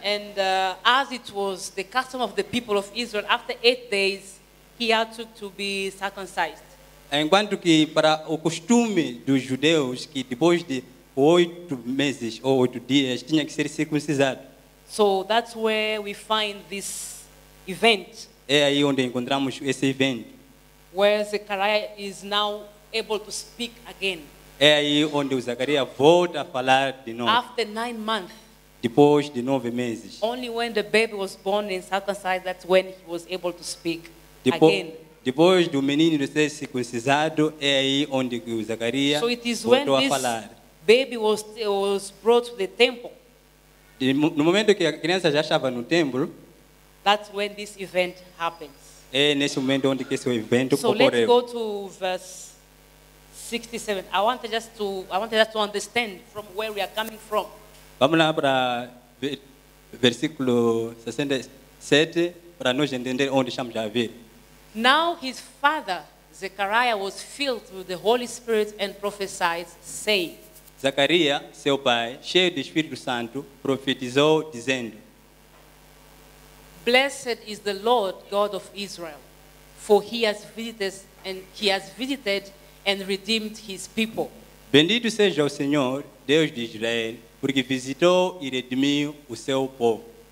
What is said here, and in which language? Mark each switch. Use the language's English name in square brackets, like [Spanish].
[English] And as it was the custom of the people of Israel, after 8 days, he had to be circumcised. [Portuguese] Enquanto que para o costume dos judeus, que depois de 8 meses ou 8 dias, tinha que ser circuncisado. [English] So that's where we find this event. [Portuguese] É aí onde encontramos esse evento. [English] Where Zechariah is now able to speak again. [Portuguese] É aí onde o Zacarias volta a falar de novo. [English] After 9 months. [Portuguese] Depois de 9 meses. [English] Only when the baby was born and circumcised, that's when he was able to speak again. [Portuguese] Depois do menino ser circuncisado, é aí onde o Zacarias voltou a falar. [English] So it is when this baby was brought to the temple. [Portuguese] No momento que a criança já estava no templo, [English] that's when this event happens. [Portuguese] É nesse momento onde que esse evento ocorreu. [English] So let's go to verse 67. I want us to understand from where we are coming from. [Portuguese] Vamos lá para versículo 67 para nós entender onde estamos a ver. [English] Now his father Zechariah was filled with the Holy Spirit and prophesied, saying. [Portuguese] Zacarias, seu pai, cheio do Espírito Santo, profetizou dizendo: [English] Blessed is the Lord God of Israel, for he has visited and redeemed his people. [Portuguese] Bendito seja o Senhor, Deus de Israel, porque visitou e redimiu o seu povo.